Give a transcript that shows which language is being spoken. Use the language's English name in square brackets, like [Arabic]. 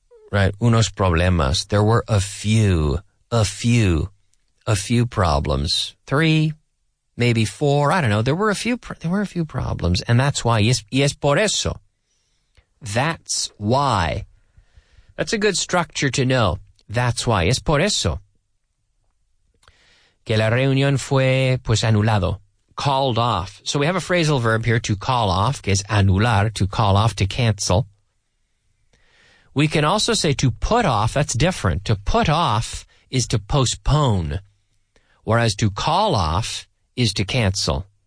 [English] Right, [Spanish] unos problemas. [English] There were a few problems. Three, maybe four, I don't know. There were a few problems, and that's why. Yes, [Spanish] por eso. [English] That's why. That's a good structure to know. That's why. [Spanish] Es por eso que la reunión fue, pues, anulado. [English] Called off. So we have a phrasal verb here, to call off, [Spanish] que es anular, [English] to call off, to cancel. We can also say to put off. That's different. To put off is to postpone, whereas to call off is to cancel.